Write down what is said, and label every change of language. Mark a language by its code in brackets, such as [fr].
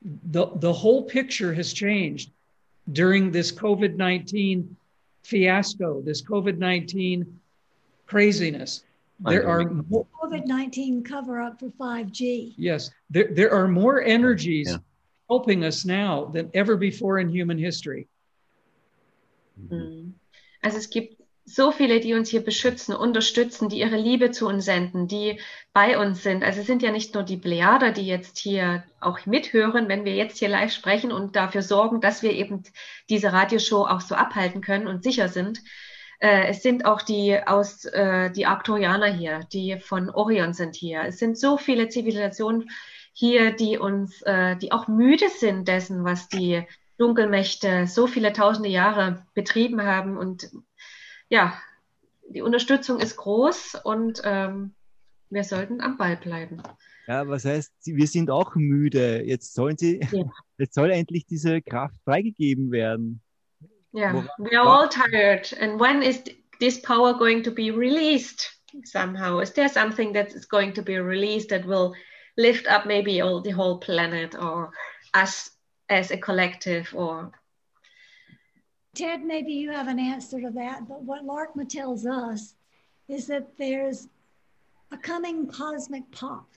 [en] The whole picture has changed during this COVID-19 fiasco, this COVID-19 craziness. There are COVID-19 cover up for 5G. Yes, there are more energies helping us now than ever before in human history. [de] Also es gibt so viele, die uns hier beschützen, unterstützen, die ihre Liebe zu uns senden, die bei uns sind. Also es sind ja nicht nur die Plejader, die jetzt hier auch mithören, wenn wir jetzt hier live sprechen und dafür sorgen, dass wir eben diese Radioshow auch so abhalten können und sicher sind. Es sind auch die aus die Arcturianer hier, die von Orion sind hier. Es sind so viele Zivilisationen hier, die uns, die auch müde sind dessen, was die Dunkelmächte so viele tausende Jahre betrieben haben. Und ja, die Unterstützung ist groß und wir sollten am Ball bleiben. Ja, was heißt, wir sind auch müde. Jetzt soll endlich diese Kraft freigegeben werden. [en] Ja, we are all tired. And when is this power going to be released somehow? Is there something that is going to be released that will lift up maybe all the whole planet or us as a collective? Or Ted, maybe you have an answer to that. But what Larkma tells us is that there's a coming cosmic pop.